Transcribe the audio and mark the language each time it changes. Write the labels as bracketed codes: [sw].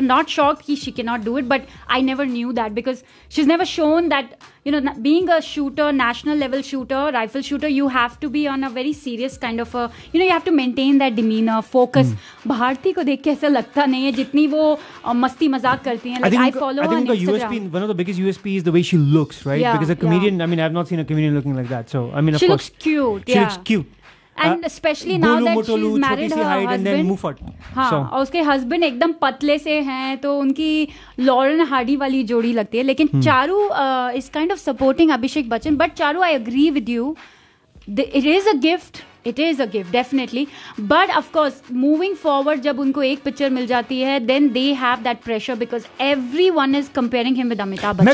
[en] Not shocked कि she can not do it, but I never knew that because she is never shown that you know being a shooter, national level shooter, rifle shooter, you have to be on a very serious kind of you know you have to maintain that demeanor, focus. [hi] Bharti को देख के ऐसा लगता नहीं है जितनी वो मस्ती मजाक करती हैं. [en] I follow her Instagram. USP, one of the biggest USP is the way she looks, right? Because a comedian, I mean I have not seen a comedian looking like that. So I mean of course she looks cute. And especially now that Motolu, she's married her husband. And then Mufat. [hi] और उसके husband एकदम पतले से हैं, तो उनकी Lauren Hardy वाली जोड़ी लगती है. लेकिन [en] Charu is kind of supporting Abhishek Bachchan. But Charu, I agree with you, it is a gift, it is a gift definitely, but of course moving forward [hi] जब उनको एक पिक्चर मिल जाती है [en] Then they have that pressure because every one is comparing him with Amitabh Bachchan.